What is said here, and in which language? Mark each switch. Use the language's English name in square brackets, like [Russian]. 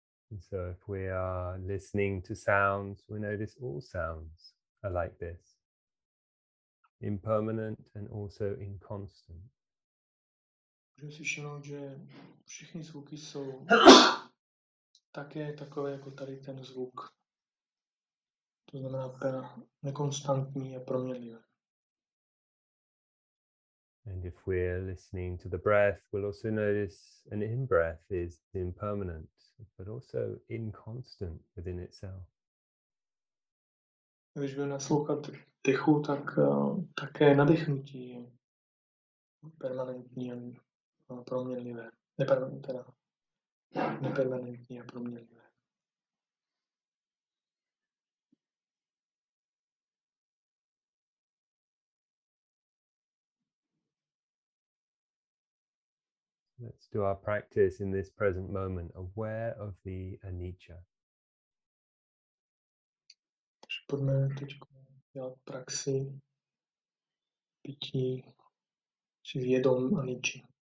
[English] And so if we are listening to sounds, we notice all sounds are like this, impermanent and also inconstant. [Czech] Můžeme si všimnout, že všechny zvuky jsou také takové jako tady ten zvuk. To znamená nekonstantní a proměnlivé. [English] And if we're listening to the breath, we'll also notice an in-breath is impermanent, but also inconstant within itself. [Czech] Když budeme naslouchat dechu, tak také nadechnutí je permanentní a proměnlivé. Nepermanentní a proměnlivé. [English] Let's do our practice in this present moment, aware of the anicca. [Czech] Pojďme teď dělat praxi bytí si vědom aniči.